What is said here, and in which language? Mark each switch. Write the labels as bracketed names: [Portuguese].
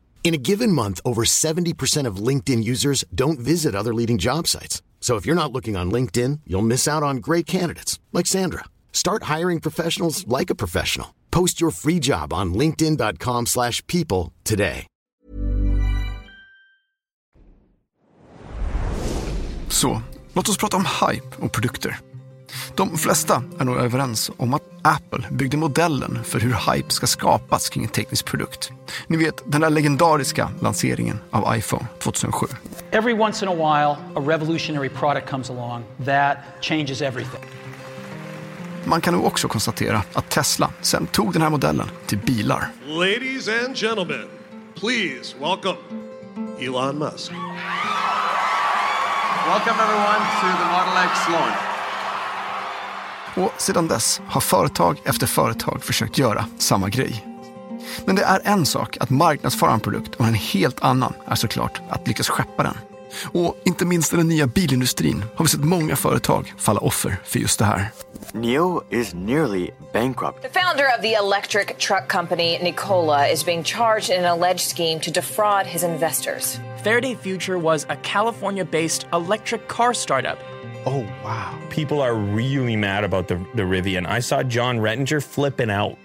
[English] In a given month, over 70% of LinkedIn users don't visit other leading job sites. So if you're not looking on LinkedIn, you'll miss out on great candidates, like Sandra. Start hiring professionals like a professional. Post your free job on linkedin.com/people today. [Swedish] Så, låt oss prata om hype och produkter. De flesta är nog överens om att Apple byggde modellen för hur hype ska skapas kring en teknisk produkt. Ni vet, den där legendariska lanseringen av iPhone 2007. [English] Every once in a while, a revolutionary product comes along that changes everything. [Swedish] Man kan nu också konstatera att Tesla sen tog den här modellen till bilar. [English] Ladies and gentlemen, please welcome Elon Musk. Welcome everyone to the Model X launch. [Swedish] Och sedan dess har företag efter företag försökt göra samma grej. Men det är en sak att marknadsföra en produkt, och en helt annan är såklart att lyckas skeppa den. Och inte minst i den nya bilindustrin har vi sett många företag falla offer för just det här. [English] NIO is nearly bankrupt. The founder of the electric truck company Nikola is being charged in an alleged scheme to defraud his investors. Faraday Future was a California-based electric car startup. Oh, wow. People are really mad about the Rivian. I saw John Rettinger flipping out.